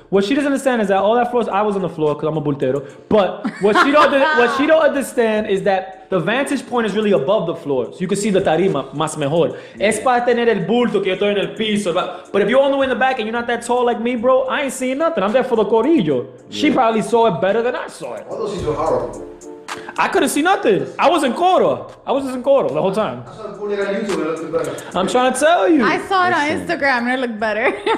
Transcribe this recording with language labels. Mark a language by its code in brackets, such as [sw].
[en] What she doesn't understand is that all that floor, I was on the floor because I'm a bultero. But what she don't understand is that the vantage point is really above the floor. So you can see the [es] tarima más mejor. [en] Yeah. [es] Es para tener el bulto que yo estoy en el piso. [en] But if you're all the way in the back and you're not that tall like me, bro, I ain't seeing nothing. I'm there for the corillo. Yeah. She probably saw it better than I saw it. Why those seats were horrible? I couldn't see nothing. I was in coro the whole time. I saw it on YouTube and it looked better. I'm trying to tell you. I saw it on Instagram and it looked better.